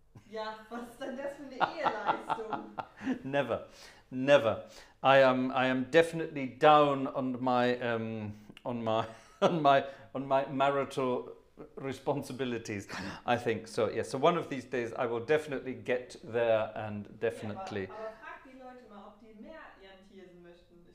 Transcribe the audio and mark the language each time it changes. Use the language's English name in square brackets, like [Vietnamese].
[German] Ja, was ist denn das für eine Eheleistung? [English] Never, never. I am definitely down on my marital responsibilities, I think. So, yes, so one of these days I will definitely get there and definitely. [German] Yeah, aber frag die Leute mal, ob die mehr Jan Tiersen möchten.